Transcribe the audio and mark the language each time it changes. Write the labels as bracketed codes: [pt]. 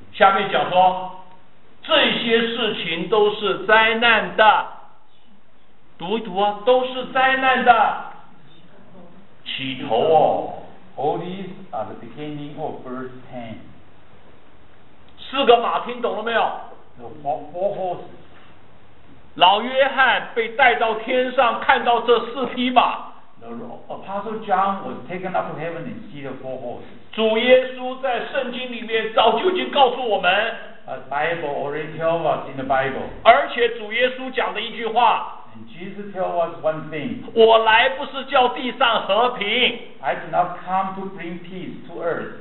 [zh] 下面讲说，这些事情都是灾难的，读一读啊，都是灾难的起头哦。 [en] All these are the beginning of verse 10. [zh] 四个马听懂了没有 [en] ？The four horses. [zh] 老约翰被带到天上，看到这四匹马。 [en] The Apostle John was taken up to heaven and see the four horses. [zh] 主耶稣在圣经里面早就已经告诉我们。 [en] The Bible already tells us in the Bible. [zh] 而且主耶稣讲了一句话。 [en] And Jesus tells us one thing. [zh] 我来不是叫地上和平。 [en] I did not come to bring peace to earth.